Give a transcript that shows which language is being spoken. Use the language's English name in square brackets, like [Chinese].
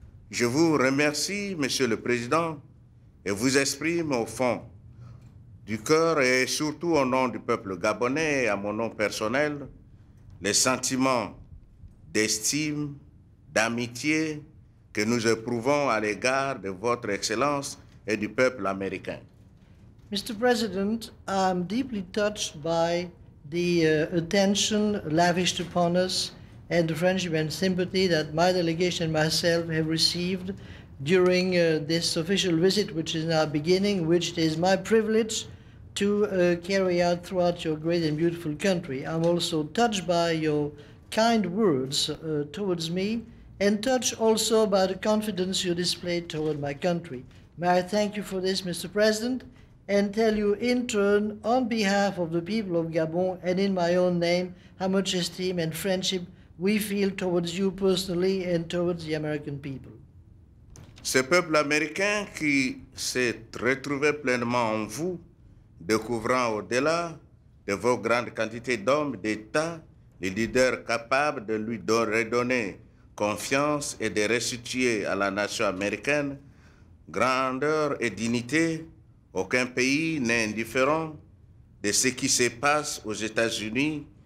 [French] Je vous remercie, Monsieur le Président, et vous exprime au fond du cœur et surtout au nom du peuple gabonais et à mon nom personnel les sentiments d'estime, d'amitié que nous éprouvons à l'égard de votre excellence et du peuple américain. [English] Mr. President, I'm deeply touched by the attention lavished upon us and the friendship and sympathy that my delegation and myself have received during this official visit, which is now beginning, which it is my privilege to carry out throughout your great and beautiful country. I'm also touched by your kind words towards me and touched also by the confidence you displayed toward my country. May I thank you for this, Mr. President, and tell you in turn, on behalf of the people of Gabon and in my own name, how much esteem and friendship we feel towards you personally and towards the American people. [French] Ce peuple américain qui s'est retrouvé pleinement en vous, découvrant au-delà de vos grandes quantités d'hommes d'État, les leaders capables de lui redonner confiance et de restituer à la nation américaine grandeur et dignité, aucun pays n'est indifférent de ce qui se passe aux États-Unis.